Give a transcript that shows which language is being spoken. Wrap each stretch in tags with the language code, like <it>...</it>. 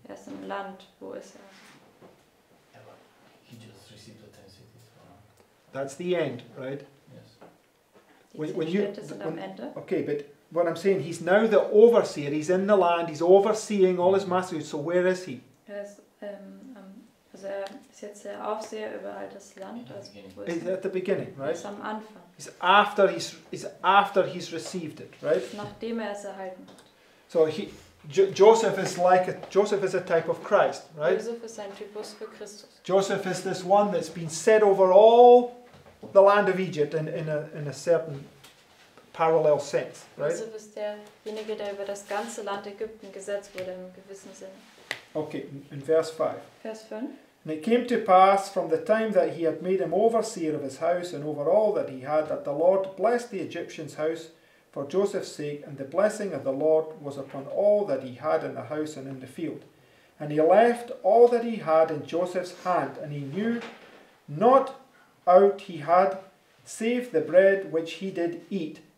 <en>He's in the land, wo is he? Yeah, but he just received the 10 cities. That's the end, right? Yes. Okay, but what I'm saying, he's now the overseer, he's in the land, he's overseeing all his masters, so where is he? Yes.</en> <de>Also er ist jetzt der Aufseher über all das Land. Also</de> <en>is at the beginning, right?</en> <de>Ist am Anfang.</de> <en>He's after he's received it, right?</en> <de>Nachdem er es erhalten hat.</de> <en>So Joseph is a type of Christ, right?</en> <de>Joseph ist ein Typus für Christus.</de> <en>Joseph is this one that's been set over all the land of Egypt in a certain parallel sense, right?</en> <de>Joseph ist derjenige, der über das ganze Land Ägypten gesetzt wurde im gewissen Sinne.</de> <en>Okay, in verse 5. Verse 5. And it came to pass from the time that he had made him overseer of his house and over all that he had, that the Lord blessed the Egyptian's house for Joseph's sake, and the blessing of the Lord was upon all that he had in the house and in the field. And he left all that he had in Joseph's hand, and he knew not out he had, save the bread which he did eat.</en>